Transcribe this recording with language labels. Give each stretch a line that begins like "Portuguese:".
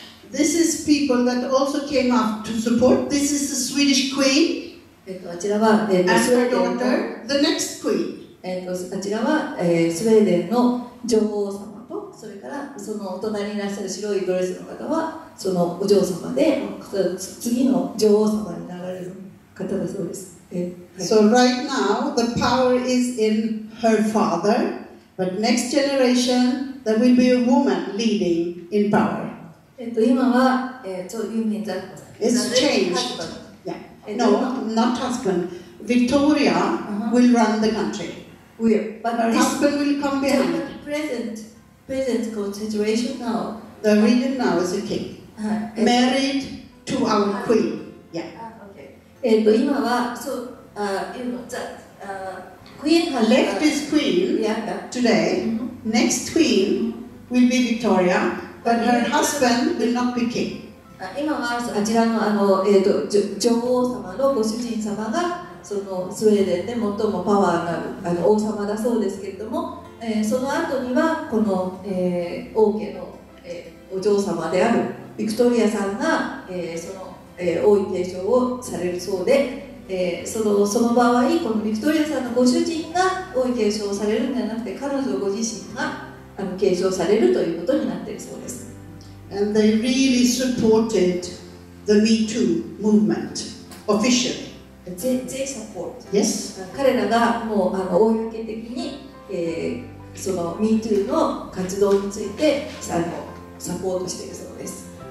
English: This is people that also came up to support. This is the Swedish queen.
Japanese: あちらは、
English: as her daughter, the next queen.
Japanese: あちらは、スウェーデンの女王様と、それからそのお隣にいらっしゃる白いドレスの方はそのお嬢様で、次の女王様になられる方だそうです。
English: はい、so right now the power is in her father, but next generation there will be a woman leading in power.
Japanese: 今は、
English: you mean that? It's changed. Yeah. No, not husband. Victoria、uh-huh. will run the country. Will. Husband will come behind. Present situation now. The region now is a king. Married to our queen. Yeah. Okay.
Japanese: 今はそう、
English: you know that queen has left his queen. Yeah. Today, mm-hmm. next queen will be Victoria, but her husband will not be king.
Japanese: 今はあちらのあの女王様のご主人様が。そのスウェーデンで最もパワーがあるあの王様だそうですけれども、その後にはこの、王家の、お嬢様であるビクトリアさんが、その、王位継承をされるそうで、その場合このビクトリアさんのご主人が王位継承されるんではなくて彼女ご自身があの継承されるということになっているそうです。
English: And they really supported the Me Too movement officially They support. Yes.
Japanese: 彼らがもうあの公的に、その Me Too の活動についてあのサポートしているそうです。